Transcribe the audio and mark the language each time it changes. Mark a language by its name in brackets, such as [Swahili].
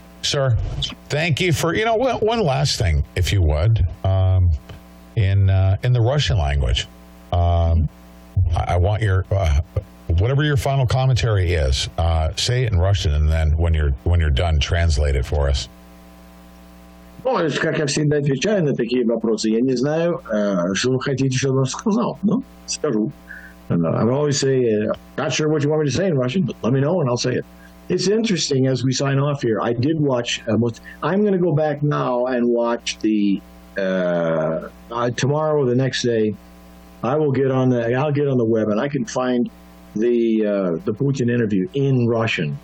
[English] Sir, thank you for, you know, one last thing, if you would, in the Russian language, I want your, whatever your final commentary is, say it in Russian, and then when you're done, translate it for us. [Russian] Ну, как я всегда отвечаю на такие вопросы, я не знаю, что вы хотите, чтобы я сказал, но скажу. [English] I always say, not sure what you want me to say in Russian, but let me know and I'll say it. It's interesting as we sign off here. I did watch, I'm going to go back now and watch the, tomorrow or the next day, I'll get on the web and I can find the Putin interview in Russian.